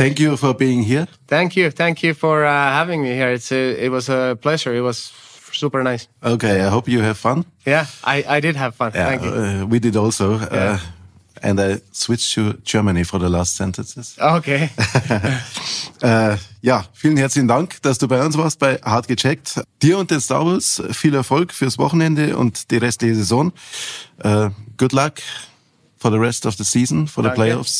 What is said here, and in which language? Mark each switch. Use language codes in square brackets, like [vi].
[en] Thank you for being here. Thank you for having me here. It was a pleasure. It was super nice. Okay, I hope you have fun. Yeah, I did have fun. Yeah, thank you. We did also. Yeah. And I switched to Germany for the last sentences. Okay. [de] vielen herzlichen Dank, dass du bei uns warst bei Hart gecheckt. Dir und den Star Wars viel Erfolg fürs Wochenende und die restliche Saison. [en] Good luck for the rest of the season, for the playoffs.